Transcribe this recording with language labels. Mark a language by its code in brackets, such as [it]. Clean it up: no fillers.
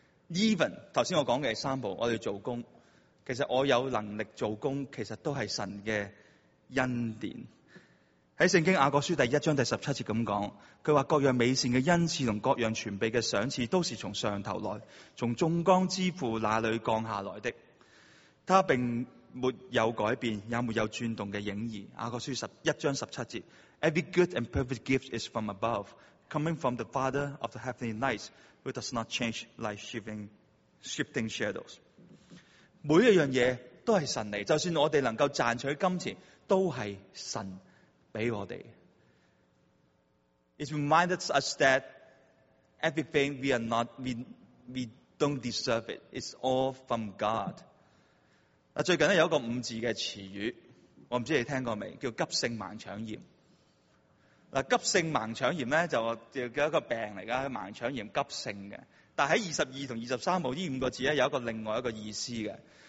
[zh] Even, 刚才我讲的三步我们做工其实我有能力做工其实都是神的恩典。在圣经雅各书第一章第十七节这样说，他说各样美善的恩赐和各样全备的赏赐都是从上头来，从众光之父那里降下来的，他并没有改变，也没有转动的影儿。雅各书一章十七节， [en] Every good and perfect gift is from above, coming from the Father of the heavenly lights, who does not change like shifting shadows. 每一样东西都是神来，就算我们能够赚取金钱都是神给我们。 It reminds us that everything we are not, we don't deserve it. It's all from God. [zh] 最近有一个五字的词语，我不知道你听过没，叫急性盲肠炎。急性盲肠炎呢就叫一个病来的，盲肠炎急性的。但在22和23号这五个字有一个另外一个意思的。